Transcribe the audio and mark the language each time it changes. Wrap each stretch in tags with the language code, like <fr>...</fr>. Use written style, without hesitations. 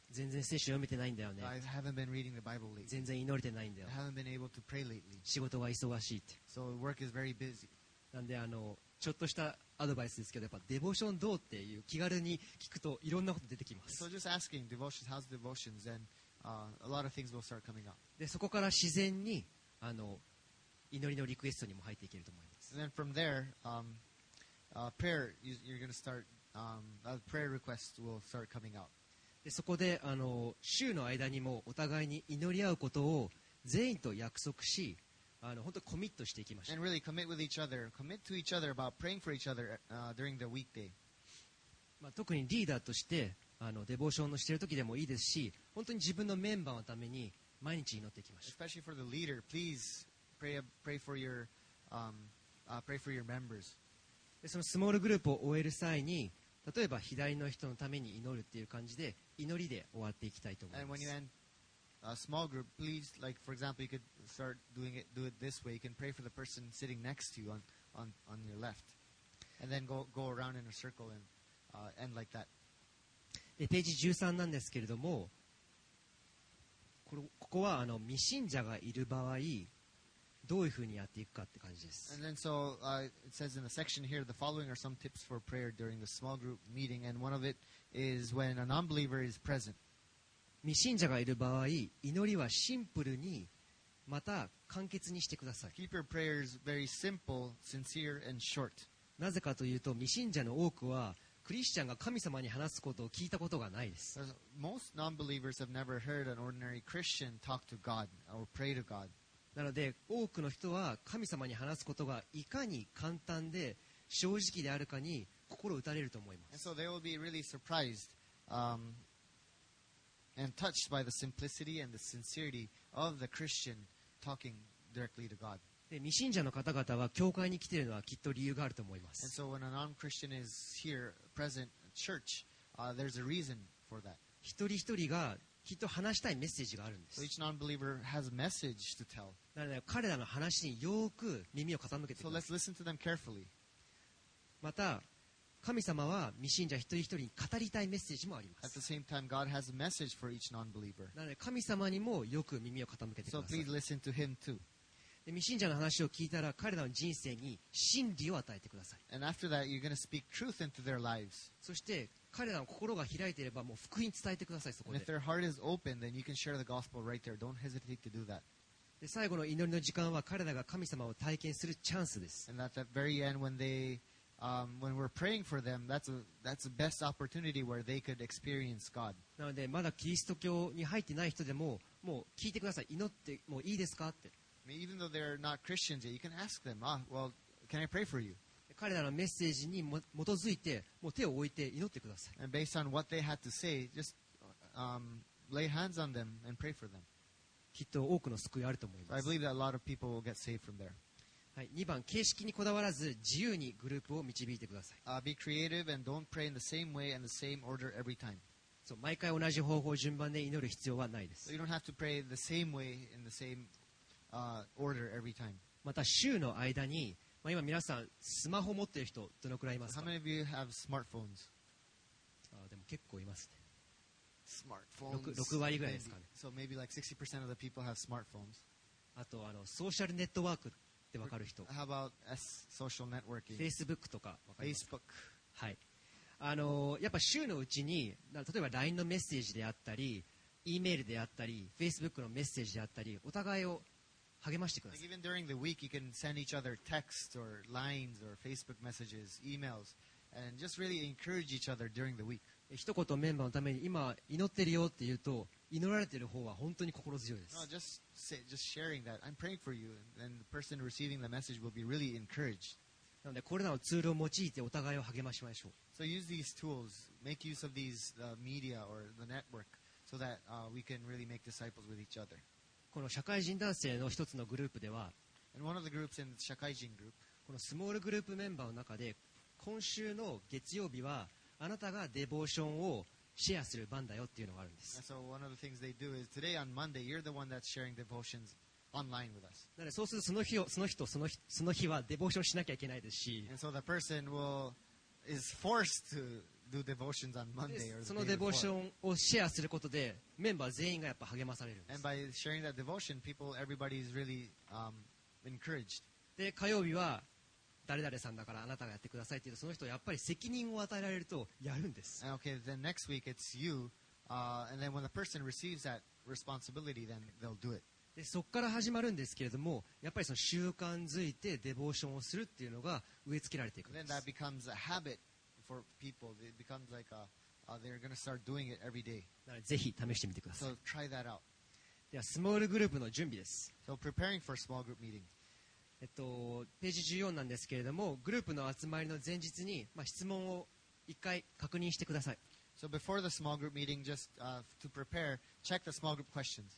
<ja>全然聖書読めてないんだよね。</ja> <en>I haven't been reading the Bible lately.</en> <ja>全然祈れてないんだよ。</ja> <en>I haven't been able to pray lately.</en> <ja>仕事は忙しいって。</ja> <en>So work is very busy.</en> <ja>なんであのちょっとしたアドバイスですけど、やっぱデボーションどうっていう気軽に聞くといろんなこと出てきます。</ja> <en>So just asking devotions, how's devotions, and a lot of things will start coming up.</en> <ja>でそこから自然にあの祈りのリクエストにも入っていけると思います。</ja> <en>And then from there, prayer, you're going to start, prayer requests will start coming up.</en> <ja>でそこであの週の間にもお互いに祈り合うことを全員と約束し、あの本当コミットしていきましょう。</ja> <en>And really commit with each other. Commit to each other about praying for each other, during the weekday.</en> <ja>まあ、特にリーダーとしてあのデボーションのしている時でもいいですし、本当に自分のメンバーのために毎日祈っていきましょう。</ja> <en>Especially for the leader, please pray for your, pray for your members.</en> <ja>でそのスモールグループを終える際に、例えば左の人のために祈るっていう感じで祈りで終わっていきたいと思います。</ja> <en>And when you endA small group, please, like for example, you could start doing it, do it this way. You can pray for the person sitting next to you on your left. And then go around in a circle and end like that.</en> <ja>で、ページ13なんですけれども、ここはあの未信者がいる場合、どういうふうにやっていくかって感じです。</ja> <en>And then so it says in the section here, the following are some tips for prayer during the small group meeting. And one of it is when a non-believer is present.</en> <ja>未信者がいる場合、祈りはシンプルにまた簡潔にしてください。</ja> <en>Keep your prayers very simple, sincere, and short.</en> <ja>なぜかというと、未信者の多くはクリスチャンが神様に話すことを聞いたことがないです。</ja> <en>Most non-believers have never heard an ordinary Christian talk to God or pray to God.</en> <ja>なので多くの人は神様に話すことがいかに簡単で正直であるかに心を打たれると思います。</ja> <en>And so they will be really surprised, and touched by the simplicity and the sincerity of the Christian talking directly to God.</en> <ja>で、未信者の方々は教会に来ているのはきっと理由があると思います。</ja> <en>And so when a non-Christian is here present at church, there's a reason for that.</en> <ja>一人一人がきっと話したいメッセージがあるんです。</ja> <en>So each non-believer has a message to tell.</en> <ja>なので彼らの話によく耳を傾けてください。</ja> <en>So let's listen to them carefully.</en> <ja>また神様は未信者一人一人に語りたいメッセージもあります。</ja> <en>At the same time, God has a message for each non-believer.</en> <ja>なので神様にもよく耳を傾けてください。</ja> <en>So please listen to him too.</en> <ja>で、未信者の話を聞いたら彼らの人生に真理を与えてください。</ja> <en>And after that, you're going to speak truth into their lives.</en> <ja>そして彼らの心が開いていればもう福音伝えてください、そこで。</ja> <en>And if their heart is open, then you can share the gospel right there. Don't hesitate to do that.</en> <ja>で最後の祈りの時間は彼らが神様を体験するチャンスです。</ja> <en>And at the very end, when they, when we're praying for them, that's the best opportunity where they could experience God.</en> <ja>なのでまだキリスト教に入ってない人でも、もう聞いてください。祈ってもういいですかって。</ja> <en>I mean, even though they're not Christians yet, you can ask them, ah, well, can I pray for you?</en> <ja>彼らのメッセージに基づいて、もう手を置いて祈ってください。</ja> <en>And based on what they had to say, just, lay hands on them and pray for them.</en> <ja>きっと多くの救いあると思います。</ja> <en>I believe that a lot of people will get saved from there.</en> <ja>はい、2番、形式にこだわらず自由にグループを導いてください。</ja> <en>Be creative and don't pray in the same way and the same order every time.</en> <ja>そう、毎回同じ方法順番で祈る必要はないです。</ja> <en>So、you don't have to pray the same way in the same, order every time.</en> <ja>また週の間に、まあ、今皆さんスマホ持っている人どのくらいいますか？</ja> <en>How many of you have smartphones?</en> <ja>でも結構いますね。 6割ぐらいですかね。</ja> <en>So maybe like 60% of the people have smartphones.</en> <ja>あとソーシャルネットワークってわかる人。</ja> <en>How about social networking?</en> <ja>Facebook とかわかります。 Facebook。はい。やっぱ週のうちに、例えば LINE のメッセージであったり、E メールであったり、Facebook のメッセージであったり、お互いを励ましてください。</ja> <en>Like、even during the week, you can send each other texts or lines or Facebook messages, emails, and just really encourage each other during the week.</en> <ja>一言メンバーのために今祈ってるよって言うと祈られてる方は本当に心強いです。</ja> <en>No, just say, just sharing that. I'm praying for you, and the person receiving the message will be really encouraged.</en> <ja>なのでこれらのツールを用いてお互いを励ましましょう。</ja> <en>So use these tools, make use of these media or the network so that we can really make disciples with each other.</en> <ja>この社会人男性の一つのグループでは、</ja> <en>and one of the groups in the 社会人 group,</en> <ja>このスモールグループメンバーの中で今週の月曜日はあなたがデボーションをシェアする番だよっていうのがあるんです。</ja> <en>So one of the things they do is today on Monday, you're the one that's sharing devotions online with us.</en> <ja>なので、そうするとその日をその日はデボーションしなきゃいけないですし。</ja> <en>And so the person is forced to do devotions on Monday or the</en> <ja>そのデボーションをシェアすることでメンバー全員がやっぱ励まされるんです。</ja> <en>And by sharing that devotion, everybody is really encouraged.</en> <ja>で、火曜日は誰々さんだからあなたがやってくださいって言うとその人はやっぱり責任を与えられるとやるんです。</ja> <en>And okay, then next week it's you. And then when the person receives that responsibility, then they'll do it.</en> <ja>で、そこから始まるんですけれども、やっぱりその習慣づいてデボーションをするっていうのが植え付けられていくんです。</ja> <en>And then that becomes a habit for people. It becomes like they're going to start doing it every day.</en> <ja>だからぜひ試してみてください。</ja> <en>So try that out.</en> <ja>では、スモールグループの準備です。</ja> <en>So preparing for small group meeting.</en> <ja>ページ14なんですけれども、グループの集まりの前日に、まあ、質問を一回確認してください。</ja> <en>So before the small group meeting, just to prepare, check the small group questions.</en>